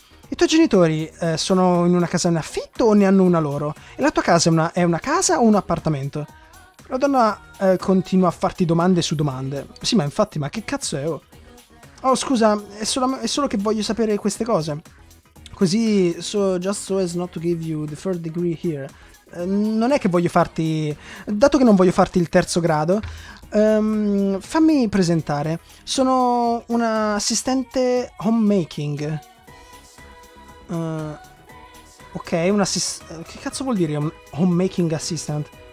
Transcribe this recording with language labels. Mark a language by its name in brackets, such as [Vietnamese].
[Italian] I tuoi genitori sono in una casa in affitto o ne hanno una loro? E la tua casa è una casa o un appartamento? La donna continua a farti domande su domande. Sì, ma infatti, ma che cazzo è? Oh, scusa, è solo che voglio sapere queste cose. [English] Così, so just so as not to give you the third degree here. [Italian] Non è che voglio farti... Dato che non voglio farti il terzo grado... fammi presentare. Sono un assistente homemaking. Che cazzo vuol dire un homemaking assistant?